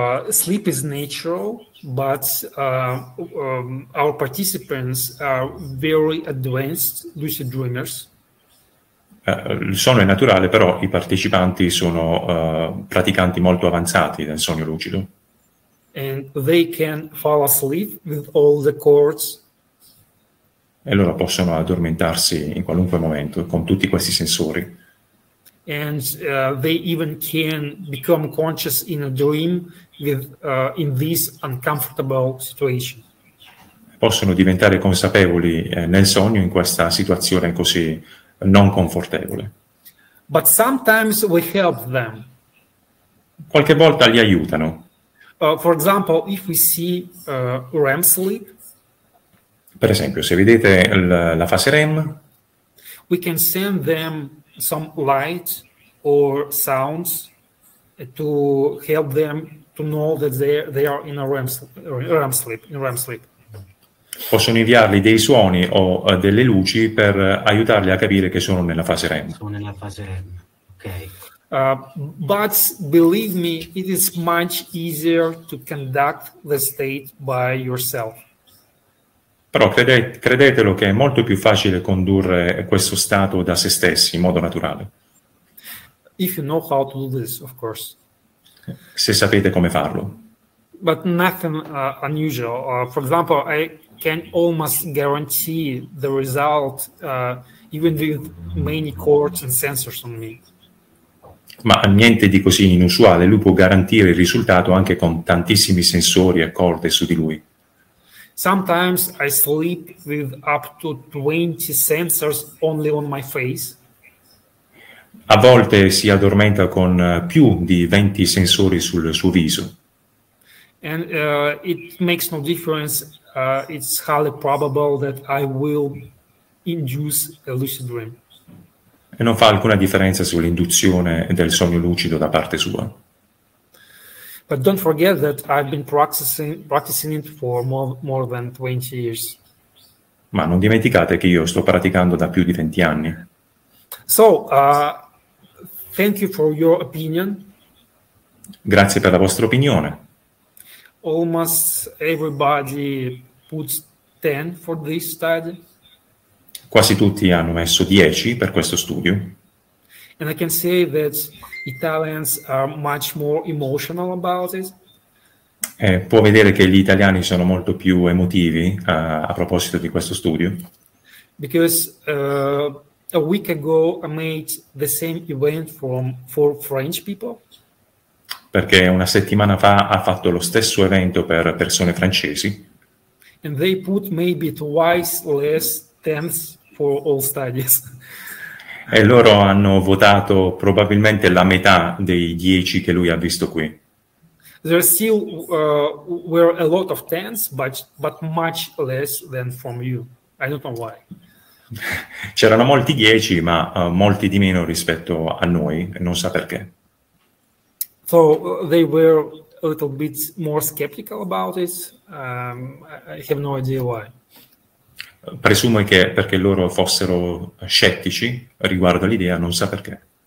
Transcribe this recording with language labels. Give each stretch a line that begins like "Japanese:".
English: Sleep is natural, but our participants are very advanced lucid dreamers.
Italian: Il sonno è naturale, però i partecipanti sono praticanti molto avanzati del sogno lucido.
English: And they can fall asleep with all the cords.
Italian: E loro possono addormentarsi in qualunque momento con tutti questi sensori.
English: And they even can become conscious in a dream with in this uncomfortable situation.
Italian: Possono diventare consapevoli nel sogno in questa situazione così non confortevole.
English: But sometimes we help them.
Italian: Qualche volta li aiutano.
English: For example, if we see REM sleep.
Italian: Per esempio, se vedete la fase REM.
English: We can send them some light or sounds to help them to know that they are in a REM sleep.
Italian: Possono inviargli dei suoni o delle luci per aiutarli a capire che sono nella fase REM. Sono nella fase REM. Ok.
English: But believe me, it is much easier to conduct the state by yourself.
Italian: Però credetelo che è molto più facile condurre questo stato da se stessi in modo naturale.
English: If you know how to do this, of course.
Italian: Se sapete come farlo.
English: But nothing unusual. For example, I can almost guarantee the result even with many cords and sensors on me.
Italian: Ma niente di così inusuale, lui può garantire il risultato anche con tantissimi sensori e corde su di lui.
English: Sometimes I sleep with up to 20 sensors only on my face.
Italian: A volte si addormenta con più di 20 sensori sul suo viso.
English: And it makes no difference. It's highly probable that I will induce a lucid dream.
Italian: E non fa alcuna differenza sull'induzione del sogno lucido da parte sua.
English: But don't forget that I've been practicing it for more than 20 years.
Italian: Ma non dimenticate che io sto praticando da più di 20 anni.
English: So, thank you for your opinion.
Italian: Grazie per la vostra opinione.
English: Almost everybody puts 10 for this study.
Italian: Quasi tutti hanno messo 10 per questo studio.
English: And I can say that Italians are much more emotional about it.
Italian: Può vedere che gli italiani sono molto più emotivi a proposito di questo studio.
English: Because a week ago I made the same event for French people.
Italian: Perché una settimana fa ha fatto lo stesso evento per persone francesi.
English: And they put maybe twice less tenths for all studies.
Italian: E loro hanno votato probabilmente la metà dei 10 che lui ha visto qui.
English: There still were a lot of tens, but much less than from you. I don't know why.
Italian: C'erano molti 10, ma molti di meno rispetto a noi, non sa perché.
English: So they were a little bit more skeptical about it. I have no idea why.
Italian: Presumo che perché loro fossero scettici riguardo l'idea, non sa perché.